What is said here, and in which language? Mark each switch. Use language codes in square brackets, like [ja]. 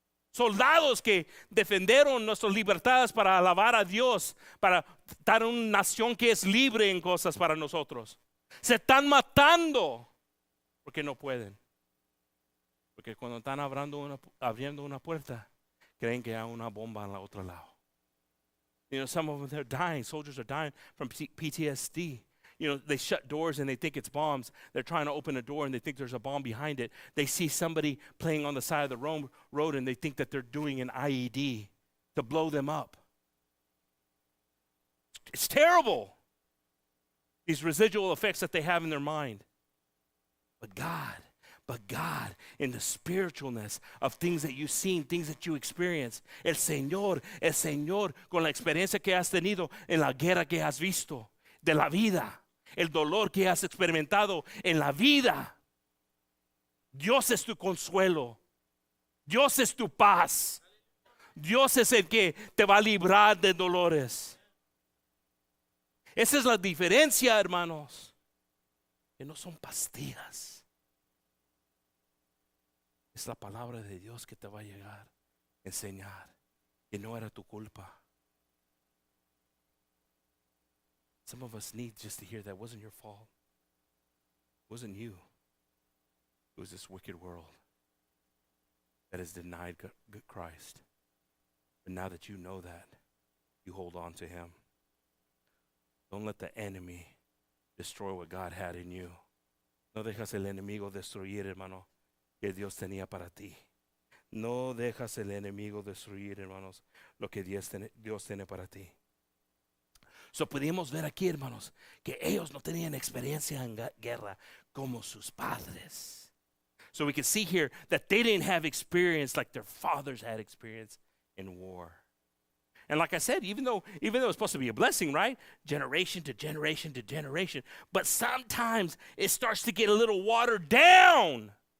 [es] Soldados que defendieron nuestras libertades para alabar a Dios, para dar una nación que es libre en cosas para nosotros. Se están matando porque no pueden. Porque cuando están abriendo una puerta, creen que hay una bomba en el otro lado. [en] You know, some of them are dying. Soldiers are dying from PTSD. You know, they shut doors and they think it's bombs. They're trying to open a door and they think there's a bomb behind it. They see somebody playing on the side of the road and they think that they're doing an IED to blow them up. It's terrible. These residual effects that they have in their mind. But God, in the spiritualness of things that you've seen, things that you experience, [es] el Señor, con la experiencia que has tenido en la guerra que has visto, de la vida, el dolor que has experimentado en la vida. Dios es tu consuelo. Dios es tu paz. Dios es el que te va a librar de dolores. Esa es la diferencia, hermanos. Que no son pastillas. Es la palabra de Dios que te va a llegar, enseñar que no era tu culpa. [en] Some of us need just to hear that it wasn't your fault. It wasn't you. It was this wicked world that has denied Christ. But now that you know that, you hold on to him. Don't let the enemy destroy what God had in you. [es] No dejas el enemigo destruir, hermano, que Dios tenía para ti. No dejas el enemigo destruir, hermanos, lo que Dios tiene para ti. So pudimos ver aquí, hermanos, que ellos no tenían experiencia en guerra como sus padres. [en] So we can see here that they didn't have experience like their fathers had experience in war. And like I said, even though it's supposed to be a blessing, right? Generation to generation to generation. But sometimes it starts to get a little watered down.